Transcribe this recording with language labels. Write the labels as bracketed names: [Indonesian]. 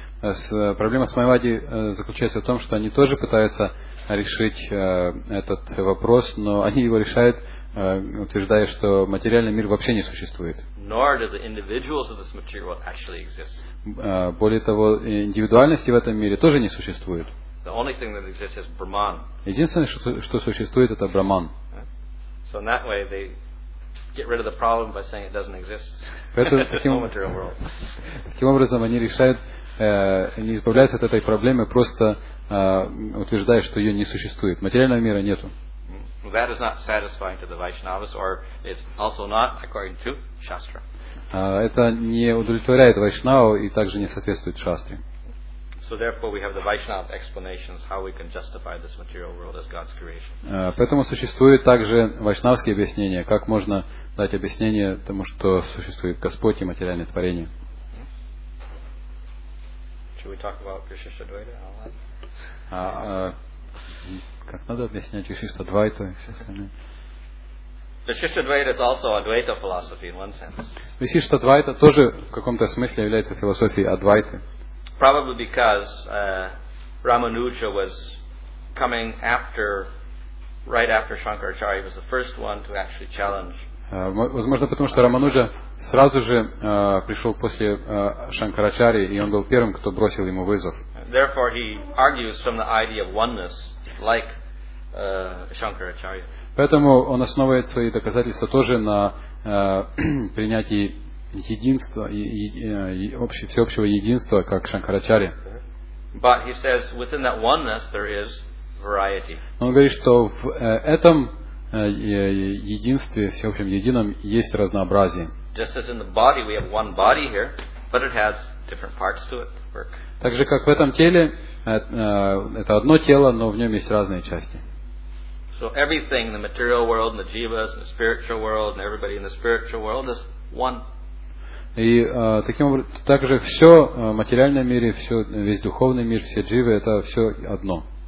[Russian] Проблема с Майявади заключается в том, что они тоже пытаются решить этот вопрос, но они его решают, утверждая, что материальный мир вообще не существует. [English] Nor do the individuals of this material world actually exist. [Russian] Более того, индивидуальности в этом мире тоже не существует. [English] The only thing that exists is Brahman. [Russian] Единственное, что существует, это Брахман. [English] So in that way, they get rid of the problem by saying it doesn't exist. [Russian] Поэтому [English] material world. [Russian] Таким образом, они решают, не избавляются от этой проблемы, просто утверждая, что ее не существует. Материального мира нету. [English] That is not satisfying to the Vaishnavas, or it's also not according to Shastra. [Russian] Это не удовлетворяет Вайшнаву и также не соответствует Шастре. [English] So therefore, we have the Vaishnava explanations how we can justify this material world as God's creation. [Russian] Поэтому существуют также вайшнавские объяснения, как можно дать объяснение тому, что существует Господь и материальное творение. [English] Should we talk about Vishishta Dvaita? [Russian] Как надо объяснять Вишишта Двайту и все остальное? [English] Vishishta Dvaita is also Advaita philosophy in one sense. [Russian] Вишишта Двайта тоже в каком-то смысле является философией Адвайты. [English] Probably because Ramanuja was coming after, right after Shankaracharya. He was the first one to actually challenge. [Russian] Возможно, потому что Рамануджа сразу же пришел после Шанкарачарьи, и он был первым, кто бросил ему вызов. [English] Therefore, he argues from the idea of oneness, like Shankaracharya. [Russian] Поэтому он основывает свои доказательства тоже на принятии единство и всеобщего единства, как Шанкарачарья. [English] But he says within that oneness there is variety. [Russian] Он говорит, что в этом единстве, всеобщем едином, есть разнообразие. [English] Just as in the body we have one body here, but it has different parts to it work. [Russian] Так же как в этом теле это одно тело, но в нем есть разные части. [English] So everything in the material world, in the jivas, in the spiritual world, and everybody in the spiritual world is one. [Russian] И таким образом, также все в материальном мире, все, весь духовный мир, все дживы, это все одно.